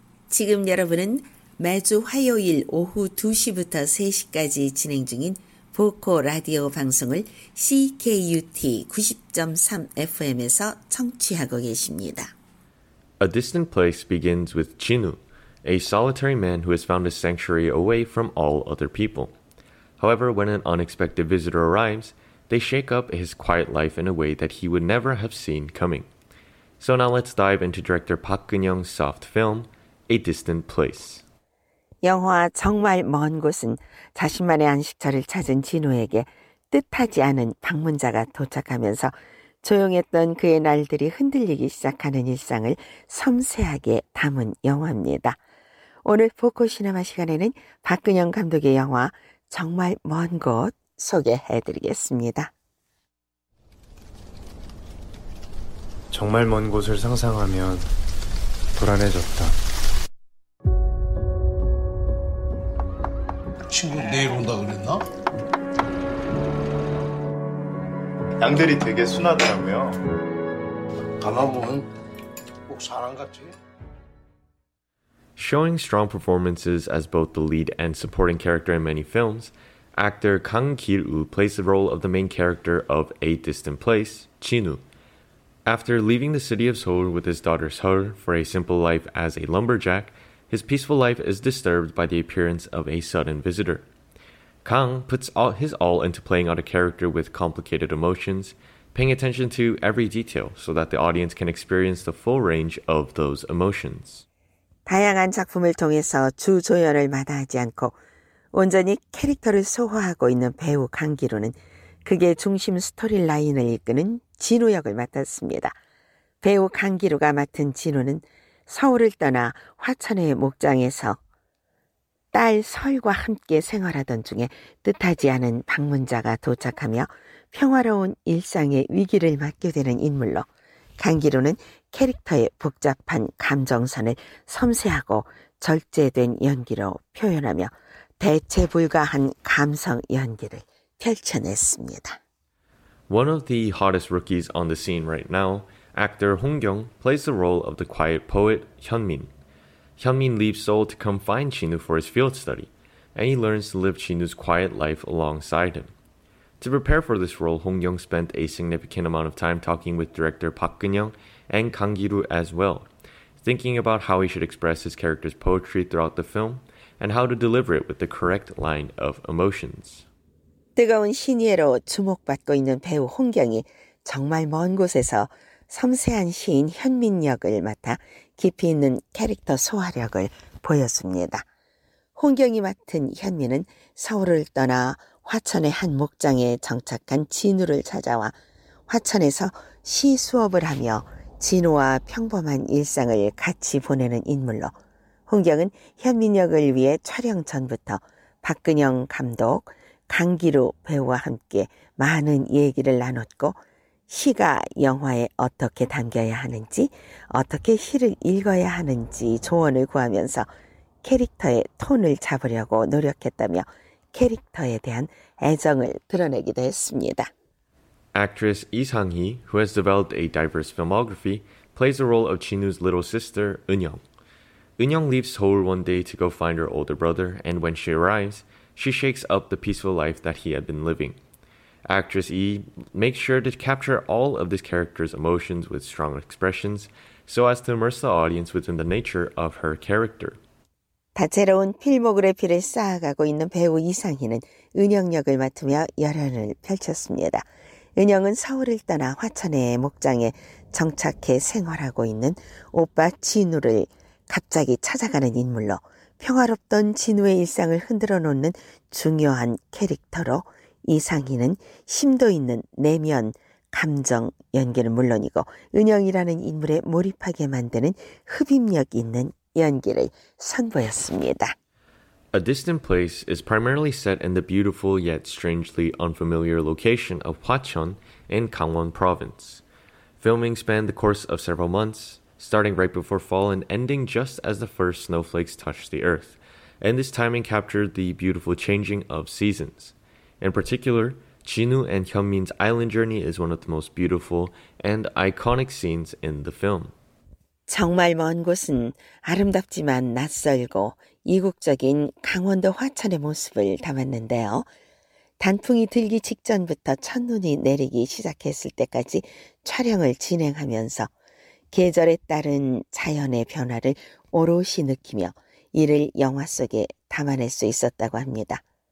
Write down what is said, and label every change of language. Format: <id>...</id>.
<ko>지금 여러분은 매주 화요일 오후 2시부터 3시까지 진행 중인 보코 라디오 방송을 CKUT 90.3 FM에서 청취하고 계십니다.</ko> <en>A distant place begins with Jinu, a solitary man who has found a sanctuary away from all other people. However, when an unexpected visitor arrives, they shake up his quiet life in a way that he would never have seen coming. So now let's dive into director Park Geun-young's soft film, A Distant Place.</en> <ko>영화 정말 먼 곳은 자신만의 안식처를 찾은 진우에게 뜻하지 않은 방문자가 도착하면서 조용했던 그의 날들이 흔들리기 시작하는 일상을 섬세하게 담은 영화입니다. 오늘 포커 시네마 시간에는 박근영 감독의 영화 정말 먼 곳 소개해드리겠습니다. 정말 먼 곳을 상상하면 불안해졌다. 친구 내일 온다 그랬나? 양들이 되게 순하더라고요. 가만 보면 꼭 사람 같지?</ko> <en>Showing strong performances as both the lead and supporting character in many films, actor Kang Gil-woo plays the role of the main character of A Distant Place, Jinu. After leaving the city of Seoul with his daughter Seol for a simple life as a lumberjack, his peaceful life is disturbed by the appearance of a sudden visitor. Kang puts all his all into playing out a character with complicated emotions, paying attention to every detail so that the audience can experience the full range of those emotions.</en> <ko>다양한 작품을 통해서 주조연을 마다하지 않고 온전히 캐릭터를 소화하고 있는 배우 강기로는 극의 중심 스토리라인을 이끄는 진우 역을 맡았습니다. 배우 강기로가 맡은 진우는 서울을 떠나 화천의 목장에서 딸 설과 함께 생활하던 중에 뜻하지 않은 방문자가 도착하며 평화로운 일상의 위기를 맞게 되는 인물로 강기로는 캐릭터의 복잡한 감정선을 섬세하고 절제된 연기로 표현하며 대체 불가한 감성 연기를 펼쳐냈습니다.</ko> <en>One of the hottest rookies on the scene right now, actor Hong Kyung plays the role of the quiet poet Hyunmin. Hyunmin leaves Seoul to come find Jinu for his field study, and he learns to live Jinu's quiet life alongside him. To prepare for this role, Hong Kyung spent a significant amount of time talking with director Park Geun-young and Kang Gil-woo as well, thinking about how he should express his character's poetry throughout the film and how to deliver it with the correct line of emotions.</en> <ko>뜨거운 신예로 주목받고 있는 배우 홍경이 정말 먼 곳에서 섬세한 시인 현민 역을 맡아 깊이 있는 캐릭터 소화력을 보였습니다. 홍경이 맡은 현민은 서울을 떠나 화천의 한 목장에 정착한 진우를 찾아와 화천에서 시 수업을 하며 진우와 평범한 일상을 같이 보내는 인물로, 홍경은 현민 역을 위해 촬영 전부터 박근영 감독, 강기루 배우와 함께 많은 얘기를 나눴고, 시가 영화에 어떻게 담겨야 하는지, 어떻게 시를 읽어야 하는지 조언을 구하면서 캐릭터의 톤을 잡으려고 노력했다며 캐릭터에 대한 애정을 드러내기도 했습니다.</ko> <en>Actress Lee Sang-hee, who has developed a diverse filmography, plays the role of Jinwoo's little sister, Eun-young. Eun-young leaves Seoul one day to go find her older brother, and when she arrives, she shakes up the peaceful life that he had been living. Actress Lee makes sure to capture all of this character's emotions with strong expressions, so as to immerse the audience within the nature of her character.</en> <ko>다채로운 필모그래피를 쌓아가고 있는 배우 이상희는 은영 역을 맡으며 열연을 펼쳤습니다. 은영은 서울을 떠나 화천의 목장에 정착해 생활하고 있는 오빠 진우를 갑자기 찾아가는 인물로, 평화롭던 진우의 일상을 흔들어 놓는 중요한 캐릭터로, 이상희는 심도 있는 내면, 감정, 연기는 물론이고 은영이라는 인물에 몰입하게 만드는 흡입력 있는 연기를 선보였습니다.</ko> <en>A Distant Place is primarily set in the beautiful yet strangely unfamiliar location of Hwacheon in Gangwon Province. Filming spanned the course of several months, starting right before fall and ending just as the first snowflakes touched the earth, and this timing captured the beautiful changing of seasons. In particular, Jinwoo and Hyunmin's island journey is one of the most beautiful and iconic scenes in the film.</en> <ko>정말 먼 곳은 아름답지만 낯설고 이국적인 강원도 화천의 모습을 담았는데요. 단풍이 들기 직전부터 첫눈이 내리기 시작했을 때까지 촬영을 진행하면서 계절에 따른 자연의 변화를 오롯이 느끼며 이를 영화 속에 담아낼 수 있었다고 합니다.</ko>